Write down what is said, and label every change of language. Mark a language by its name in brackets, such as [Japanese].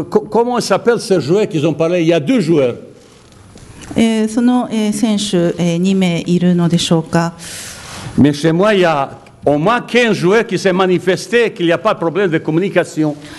[French] Comment s'appelle ce joueur qu'ils ont parlé? Il y a deux joueurs. [Japanese] その選手、2名いるのでしょうか。 [French] Mais chez moi, il y a au moins 15 joueurs qui s'est manifesté qu'il n'y a pas de problème de communication.